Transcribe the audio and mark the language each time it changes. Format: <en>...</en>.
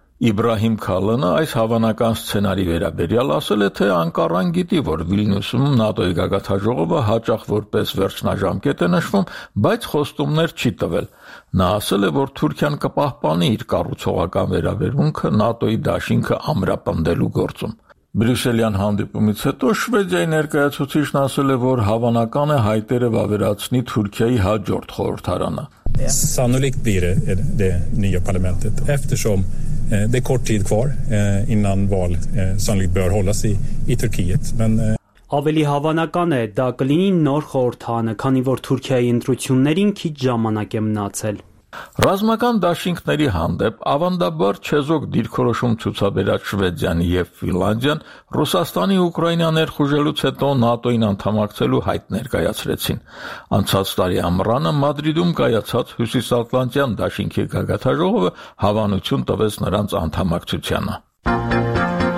<hy>Իբրահիմ Քալենը այս հավանական սցենարի վերաբերյալ ասել է, թե Անկարան գիտի, որ Վիլնյուսում ՆԱՏՕ-ի գագաթաժողովը հաճախ որպես վերջնաժամկետ է նշվում, բայց խոստումներ չի տվել։ Նա ասել է, որ Թուրքիան կպահպանի իր կառուցողական վերաբերմունքը ՆԱՏՕ-ի դաշինքը ամրապնդելու գործում։ Բրյուսելյան հանդիպումից հետո Շվեդիայի ներկայացուցիչն ասել է, որ հավանական է հայտերը վավերացնի Թուրքիայի հաջորդ խորհրդարանը։</hy> <sv>Sannolikt blir det det nya parlamentet eftersom det är kort tid kvar innan val sannolikt bör hållas i Turkiet men</sv> <hy>Ավելի հավանական է դա կլինի նոր խորհրդանը, քանի որ Թուրքիայի ընտրություններին քիչ ժամանակ է մնացել։ Ռազմական դաշինքների հանդեպ ավանդաբար չեզոք դիրքորոշում ցուցաբերած Շվեդիան և Ֆինլանդիան Ռուսաստանի Ուկրաինա ներխուժելուց հետո ՆԱՏՕ-ին անդամակցելու հայտ ներկայացրեցին։ Անցած տարի ամռանը Մադրիդում կայացած Հյուսիսատլանտյան դաշինքի գագաթաժողովը հավանություն տվեց նրանց անդամակցությանը։</hy>